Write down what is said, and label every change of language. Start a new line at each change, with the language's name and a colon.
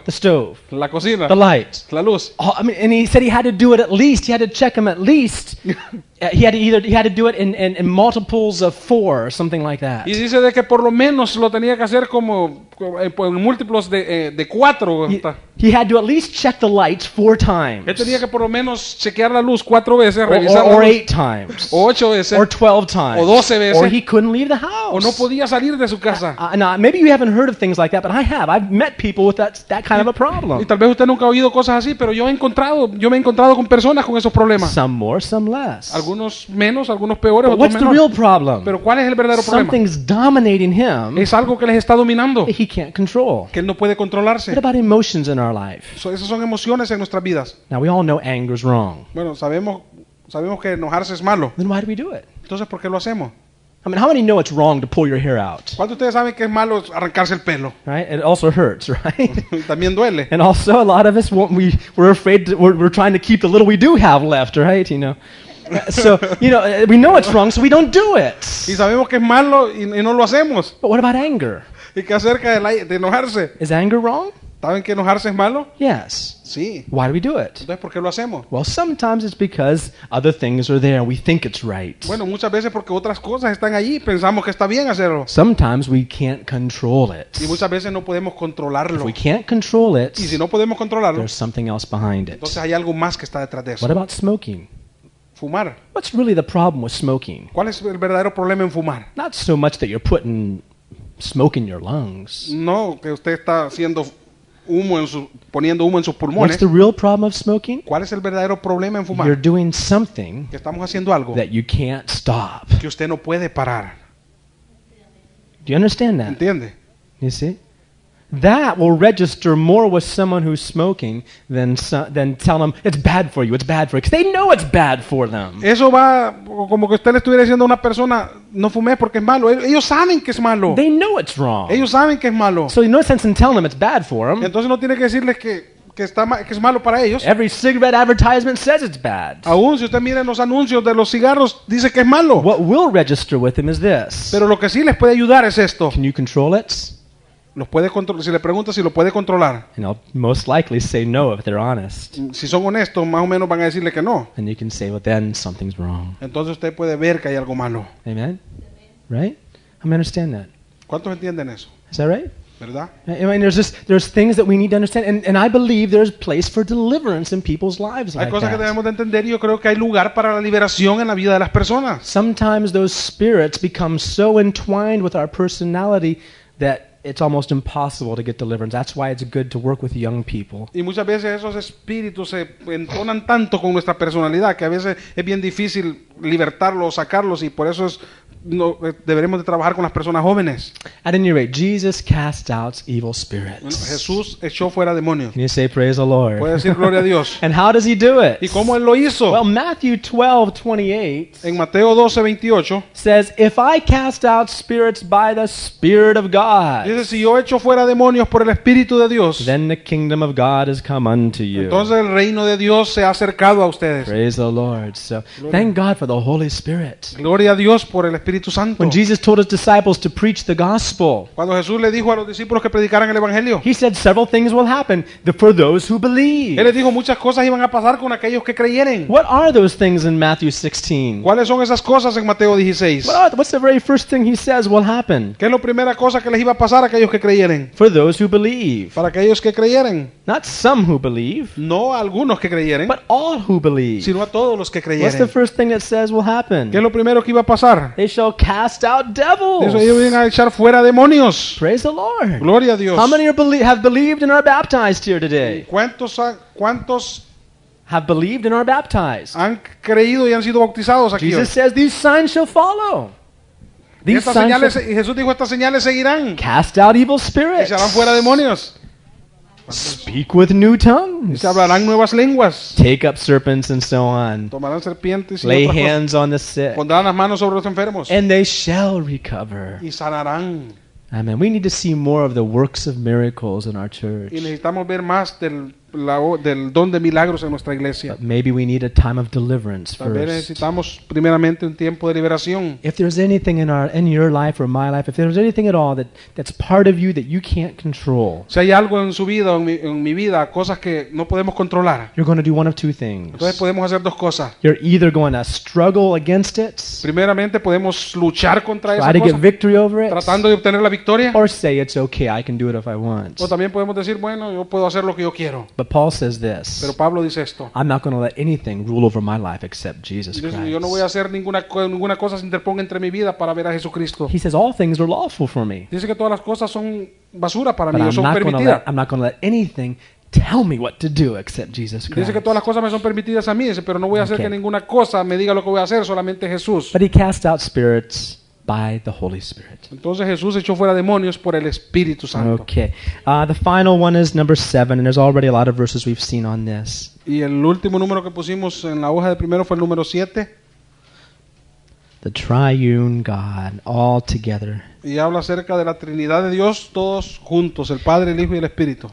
English: The stove.
Spanish: La cocina.
English: The light.
Spanish: La luz.
English: Oh, I mean, and he said he had to do it at least. He had to check them at least. he had to do it in multiples of four or something like that.
Spanish: Y dice de que por lo menos lo tenía que hacer como en múltiplos de cuatro.
English: He had to at least check the lights four times.
Spanish: Él tenía que por lo menos chequear la luz cuatro veces, revisar.
English: Or eight times.
Spanish: O ocho veces.
English: Or 12 times.
Spanish: O 12 veces.
English: Or he couldn't leave the house.
Spanish: O no podía salir de su casa.
English: Now, maybe you haven't heard of things like that, but I have. I've met people with that kind of a problem.
Spanish: Y tal vez usted nunca ha oído cosas así, pero yo me he encontrado con personas con esos problemas.
English: Some more, some less.
Spanish: Algunos menos, algunos peores,
English: but what's
Spanish: menos.
English: The real problem?
Spanish: Pero ¿cuál es el verdadero
English: Something's
Spanish: problema?
English: Dominating him.
Spanish: Es algo que les está dominando.
English: He can't control.
Spanish: Que él no puede controlarse.
English: What about emotions in our life?
Spanish: So, esas son emociones en nuestras vidas.
English: Now we all know anger is wrong.
Spanish: Bueno, sabemos que enojarse es malo.
English: Then why do we do it?
Spanish: Entonces, ¿por qué lo hacemos?
English: I mean, how many know it's wrong to pull your hair out?
Spanish: ¿Cuántos ustedes saben que es malo arrancarse el pelo?
English: Right? It also hurts, right?
Spanish: También duele.
English: And also, a lot of us we're trying to keep the little we do have left, right? You know. So, you know, we know it's wrong, so we don't do it.
Spanish: Y sabemos que es malo y no lo hacemos.
English: But what about anger?
Spanish: ¿Y qué acerca de enojarse?
English: Is anger wrong?
Spanish: ¿Saben que enojarse es malo?
English: Yes.
Spanish: Sí.
English: Why do we do it?
Spanish: Entonces, ¿por qué lo hacemos?
English: Well, sometimes it's because other things are there and we think it's right.
Spanish: Bueno, muchas veces porque otras cosas están ahí y pensamos que está bien hacerlo.
English: Sometimes we can't control it.
Spanish: Y muchas veces no podemos controlarlo.
English: If we can't control it,
Spanish: y si no podemos controlarlo,
English: there's something else behind it.
Spanish: Entonces, hay algo más que está detrás de eso.
English: What about smoking?
Spanish: Fumar.
English: What's really the problem with smoking?
Spanish: ¿Cuál es el verdadero problema en fumar?
English: Not so much that you're putting smoke in your lungs.
Spanish: No, que usted está haciendo humo en su, poniendo humo en sus pulmones.
English: What's the real problem of smoking?
Spanish: ¿Cuál es el verdadero problema en fumar?
English: You're doing something
Spanish: que estamos haciendo algo
English: that you can't stop.
Spanish: Que usted no puede parar.
English: Do you understand that?
Spanish: ¿Entiende?
English: You see? That will register more with someone who's smoking than tell them it's bad for you, it's bad for you. Because they know it's bad for them.
Spanish: Eso va como que usted le estuviera diciendo a una persona, no fumé porque es malo. Ellos saben que es malo.
English: They know it's wrong.
Spanish: Ellos saben que es malo.
English: So no sense in telling them it's bad for them.
Spanish: Entonces no tiene que decirles que es malo para ellos.
English: Every cigarette advertisement says it's bad.
Spanish: Aún si usted mira los anuncios de los cigarros, dice que es malo.
English: What will register with them is this.
Spanish: Pero lo que sí les puede ayudar es esto.
English: Can you control it?
Spanish: Los puede si le pregunta si lo puede controlar.
English: And I'll most likely say no if they're honest.
Spanish: Si son honestos, más o menos van a decirle que no.
English: And you can say, well, then something's wrong.
Spanish: Entonces usted puede ver que hay algo malo.
English: Amen. Right? I mean, understand that.
Spanish: ¿Cuántos entienden eso?
English: Is that right?
Spanish: ¿Verdad?
English: I mean, there's things that we need to understand, and I believe there's place for deliverance in people's lives.
Spanish: Hay
English: like
Spanish: cosas
English: that.
Spanish: Que debemos de entender, y yo creo que hay lugar para la liberación en la vida de las personas.
English: Sometimes those spirits become so entwined with our personality that it's almost impossible to get deliverance. That's why it's good to work with young people.
Spanish: Y muchas veces esos espíritus se entonan tanto con nuestra personalidad que a veces es bien difícil libertarlos, sacarlos, y por eso es no deberemos de trabajar con las personas jóvenes.
English: At any rate, Jesus cast out evil spirits.
Spanish: Bueno, Jesús echó fuera demonios.
English: Can you say praise the Lord?
Spanish: Puede decir gloria a Dios.
English: And how does he do it?
Spanish: ¿Y cómo él lo hizo?
English: Well, Matthew 12:28.
Spanish: En Mateo 12:28
English: says, "If I cast out spirits by the Spirit of God."
Spanish: Dice, si yo echo fuera demonios por el Espíritu de Dios.
English: Then the kingdom of God has come unto you.
Spanish: Entonces el reino de Dios se ha acercado a ustedes.
English: Praise the Lord. So, thank God for the Holy Spirit.
Spanish: Gloria a Dios por el Espíritu Santo.
English: When Jesus told his disciples to preach the gospel,
Spanish: cuando Jesús le dijo a los discípulos que predicaran el evangelio,
English: he said several things will happen for those who believe.
Spanish: Él les dijo muchas cosas iban a pasar con aquellos que creyeren.
English: What are those things in Matthew 16?
Spanish: ¿Cuáles son esas cosas en Mateo 16?
English: What's the very first thing he says will happen?
Spanish: ¿Qué es la primera cosa que les iba a pasar a aquellos que creyeren?
English: For those who believe.
Spanish: Para aquellos que creyeren.
English: Not some who believe.
Spanish: No algunos que creyeren.
English: But all who believe.
Spanish: Sino a todos los que creyeren.
English: What's the first thing that says will happen?
Spanish: ¿Qué es lo primero que iba a pasar?
English: Shall cast out devils.
Spanish: Eso, ellos vienen a echar fuera demonios.
English: Praise the Lord.
Spanish: Gloria a Dios.
English: How many have believed and are baptized here today?
Spanish: ¿Cuántos
English: have believed and are baptized?
Spanish: Han creído y han sido bautizados aquí.
English: Jesus says these signs shall follow. These signs.
Spanish: Jesús dijo estas señales seguirán.
English: Cast out evil spirits.
Spanish: Echarán fuera demonios.
English: speak with new tongues,
Spanish: hablarán nuevas lenguas,
English: take up serpents and so on,
Spanish: tomarán serpientes y
English: lay hands on the sick,
Spanish: pondrán las manos sobre los enfermos,
English: and they shall recover.
Spanish: Y sanarán.
English: Amen. We need to see more of the works of miracles in our church.
Spanish: Y necesitamos ver más del don de milagros en nuestra iglesia.
English: But maybe we need a time of deliverance
Spanish: también
English: first.
Spanish: Necesitamos primeramente un tiempo de liberación.
English: If there's anything in your life or my life, if there's anything at all that's part of you that you can't control,
Spanish: si hay algo en su vida o en mi vida, cosas que no podemos controlar,
English: you're going to do one of two things.
Spanish: Entonces podemos hacer dos cosas.
English: You're either going to struggle against it,
Spanish: primeramente podemos luchar contra esa cosa,
English: try to get victory over it,
Spanish: tratando de obtener la victoria,
English: or say it's okay, I can do it if I want.
Spanish: O también podemos decir, bueno, yo puedo hacer lo que yo quiero.
English: But Paul says this.
Spanish: Pero Pablo dice esto.
English: I'm not going to let anything rule over my life except Jesus Christ.
Spanish: Yo no voy a hacer ninguna cosa se interponga entre mi vida para ver a Jesucristo.
English: He says all things are lawful for me.
Spanish: Dice que todas las cosas son basura para mí, son permitidas.
English: I'm not going to let anything tell me what to do except Jesus Christ.
Spanish: Dice que todas las cosas me son permitidas a mí, pero no voy a hacer que ninguna cosa me diga lo que voy a hacer, solamente Jesús.
English: But he cast out spirits by the Holy Spirit.
Spanish: Entonces Jesús echó fuera demonios por el Espíritu Santo.
English: Okay. The final one is number 7, and there's already a lot of verses we've seen on this.
Spanish: Y el último número que pusimos en la hoja de primero fue el número 7. The triune God all together. Y habla acerca de la Trinidad de Dios todos juntos, el Padre, el Hijo y el Espíritu.